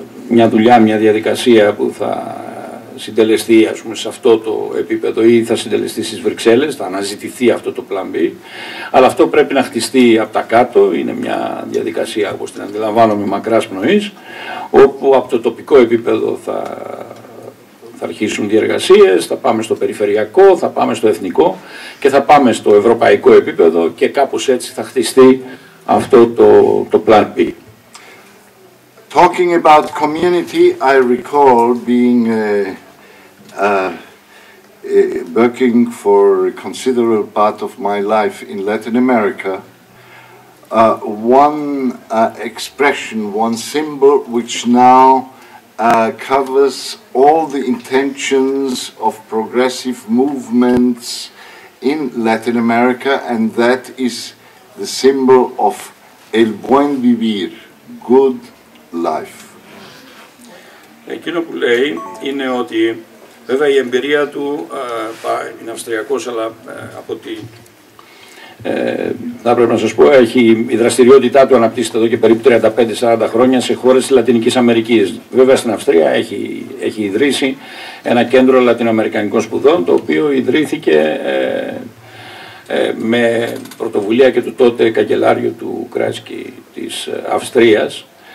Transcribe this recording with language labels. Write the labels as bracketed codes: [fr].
[el] μια δουλειά, μια διαδικασία που θα συντελεστεί, ας πούμε, σε αυτό το επίπεδο ή θα συντελεστεί στις Βρυξέλλες, θα αναζητηθεί αυτό το Plan B, αλλά αυτό πρέπει να χτιστεί από τα κάτω, είναι μια διαδικασία όπως την αντιλαμβάνομαι μακράς πνοής, όπου από το τοπικό επίπεδο θα αρχίσουν διεργασίες, θα πάμε στο περιφερειακό, θα πάμε στο εθνικό και θα πάμε στο ευρωπαϊκό επίπεδο και κάπως έτσι θα χτιστεί αυτό το Plan B. [en] Talking about community, I recall being working for a considerable part of my life in Latin America. One expression, one symbol, which now covers all the intentions of progressive movements in Latin America, and that is the symbol of [es] el buen vivir, [en] good life. [el] Εκείνο που λέει είναι ότι βέβαια η εμπειρία του είναι αυστριακός, αλλά από τη θα πρέπει να σας πω, έχει η δραστηριότητά του αναπτύσσεται εδώ και περίπου 35-40 χρόνια σε χώρες της Λατινικής Αμερικής. Βέβαια στην Αυστρία έχει ιδρύσει ένα κέντρο λατινοαμερικανικών σπουδών, το οποίο ιδρύθηκε με πρωτοβουλία και του τότε καγκελάριου του Κράσκι της Αυστρίας.